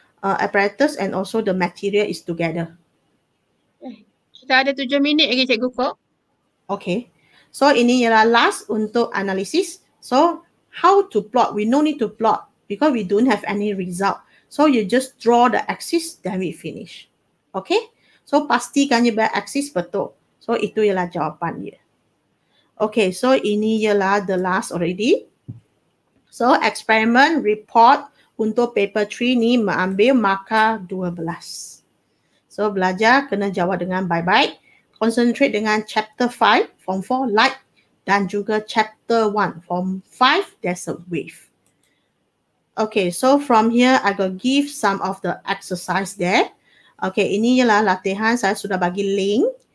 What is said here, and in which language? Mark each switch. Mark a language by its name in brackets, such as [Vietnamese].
[English] Apparatus and also the material is together. [Malay] Kita ada 7 minit lagi Cikgu Kok. Okay. So ini ialah last untuk analisis. [English] So how to plot? We no need to plot because we don't have any result. So you just draw the axis then we finish. [Malay] Okay. So pastikan dia axis betul. So itu ialah jawapan dia. Okay. So ini ialah the last already. So experiment report untuk paper 3 ni mengambil markah 12. So belajar kena jawab dengan baik-baik. Concentrate dengan chapter 5 form 4 light dan juga chapter 1 form 5 there's a wave. [English] Okay, so from here I got give some of the exercise there. [Malay] Okay, ini ialah latihan saya sudah bagi link.